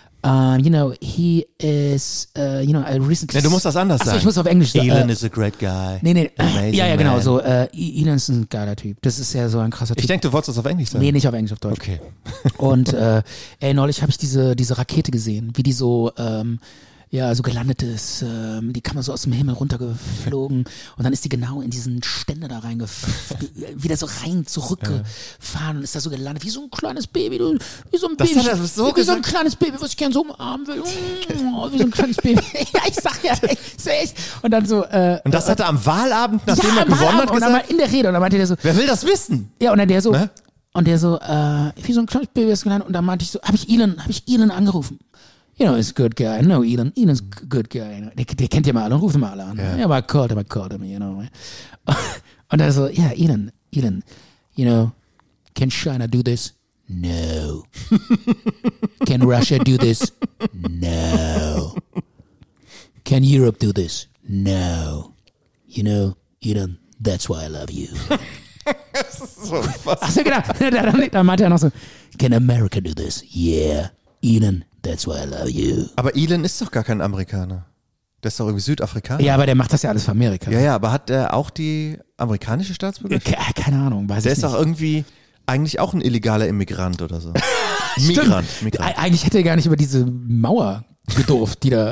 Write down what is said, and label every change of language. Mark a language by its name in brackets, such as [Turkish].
[English] You know, he is, you know, I recently. [German] Ja, du musst das anders sagen. Ich muss auf Englisch sagen. [English] Elon is a great guy. [German] Nee. Amazing ja, genau. Man. So, Elon ist ein geiler Typ. Das ist ja so ein krasser Typ. Ich denke, du wolltest das auf Englisch sagen. Nee, nicht auf Englisch, auf Deutsch. Okay. Und, neulich habe ich diese Rakete gesehen, wie die so, so gelandet ist, die kam so aus dem Himmel runtergeflogen und dann ist die genau in diesen Ständer da wieder so rein zurückgefahren und ist da so gelandet, wie so ein kleines Baby, wie so ein Baby, wie so ein kleines Baby, was ich gerne so umarmen will, wie so ein kleines Baby, ja, ich sag ja, echt, und dann so. Und das hat er am Wahlabend, nachdem er gewonnen hat, gesagt? Ja, in der Rede, und dann meinte der so. Wer will das wissen? Ja, und dann der so. Ne? Und der so, wie so ein kleines Baby ist gelandet, und dann meinte ich so, hab ich Elon angerufen. [English] You know, he's a good guy. No, Elon's a good guy. [German] Der kennt ja mal alle und ruft ihn mal alle an. [English] Yeah. Yeah, I called him, you know. [German] Und er so, [English] yeah, Elon, you know, can China do this? No. Can Russia do this? No. Can Europe do this? No. You know, Elon, that's why I love you. [German] Das ist so fast. Also, genau. Da meinte er noch so, [English] can America do this? Yeah. Elon, that's why I love you. [German] Aber Elon ist doch gar kein Amerikaner. Der ist doch irgendwie Südafrikaner. Ja, aber der macht das ja alles für Amerika. Ja, aber hat er auch die amerikanische Staatsbürgerschaft? Keine Ahnung, weiß der ich nicht. Der ist doch irgendwie eigentlich auch ein illegaler Immigrant oder so. Migrant. Eigentlich hätte er gar nicht über diese Mauer gedurft, die da.